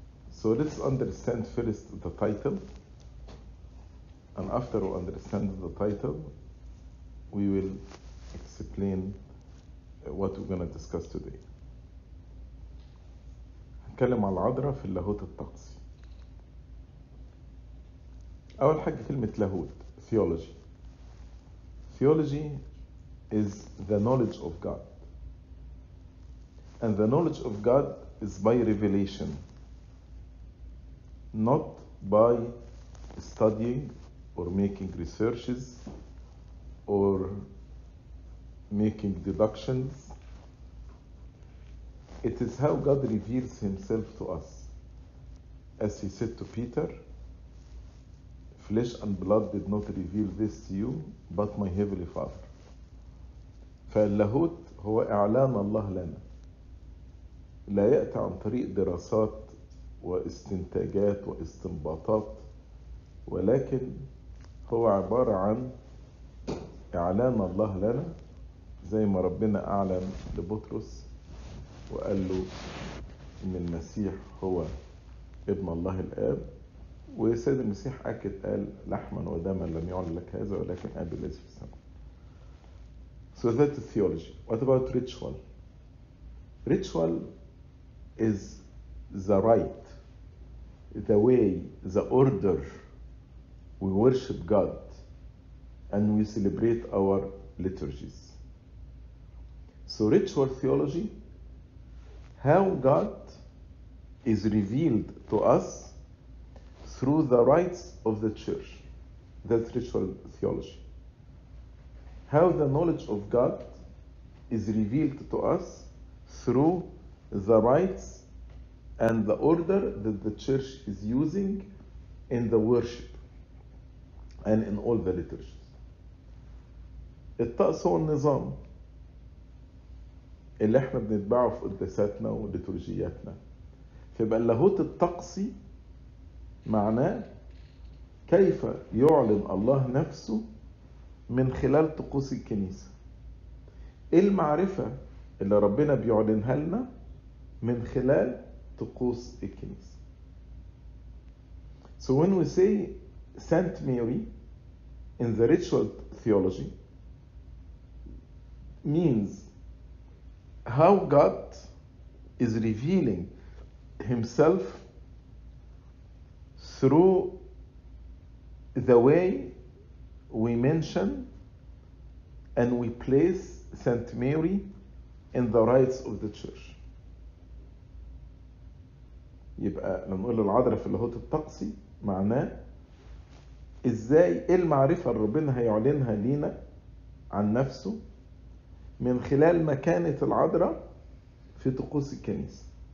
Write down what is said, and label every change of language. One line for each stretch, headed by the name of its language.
English: So let's understand first the title, and after we understand the title, we will explain what we're going to discuss today.
Arabic: هنتكلم على العذراء في اللاهوت الطقسي. أول حاجة كلمة لاهوت, theology.
English: Theology is the knowledge of God. And the knowledge of God is by revelation, not by studying or making researches or making deductions. It is how God reveals himself to us. As he said to Peter, flesh and blood did not reveal this to you, but my heavenly Father.
Arabic: فاللاهوت هو إعلان الله لنا. لا يأتي عن طريق دراسات واستنتاجات واستنباطات, ولكن هو عبارة عن إعلان الله لنا, زي ما ربنا أعلن لبطرس وقال له إن المسيح هو ابن الله الآب, وسيد المسيح أكد قال لحما ودما لم يعلن لك هذا ولكن أبي الذي في السماء.
English: So that's the theology. What about ritual? Ritual is the rite, the way, the order we worship God and we celebrate our liturgies. So ritual theology, how God is revealed to us through the rites of the church, that's ritual theology. How the knowledge of God is revealed to us through the rites and the order that the church is using in the worship and in all the liturgies.
Arabic: الطقس هو النظام اللي احنا بنتبعه في قداساتنا وليتورجياتنا. فيبقى اللاهوت الطقسي معناه كيف يعلن الله نفسه من خلال طقوس الكنيسة. ايه المعرفة اللي ربنا بيعلنها لنا من خلال طقوس الكنيسة.
English: So when we say Saint Mary in the ritual theology means how God is revealing himself through the way we mention and we place Saint Mary in the rites of the church.
Arabic: يبقى لما نقول العذراء في اللاهوت الطقسي معناه ازاي المعرفة ربنا هيعلنها لينا عن نفسه من خلال مكانة العذراء في طقوس الكنيسة.